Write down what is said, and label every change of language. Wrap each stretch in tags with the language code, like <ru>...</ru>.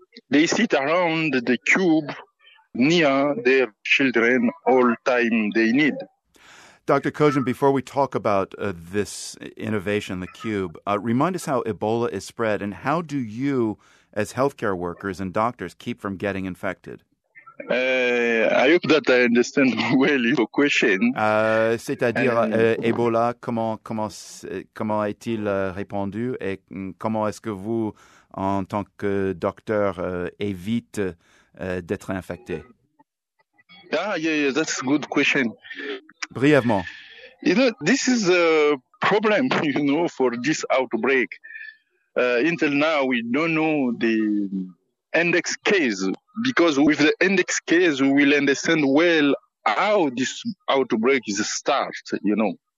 <en>They sit around the cube near their children all time they need. Dr. Kojan, before we talk about this innovation, the cube, remind us how Ebola is spread and how do you, as healthcare workers and doctors, keep from getting infected? I hope that I understand well your question.</en> <fr>C'est-à-dire, Ebola, comment est-il répandu et comment est-ce que vous, en tant que docteur, évite d'être infecté?</fr> <en>Yeah, that's a good question.</en> <fr>Brièvement.</fr> <en>You know, this is a problem, you know, for this outbreak. Until now, we don't know the index case, because with the index case, we will understand well how this outbreak is start, you know.</en>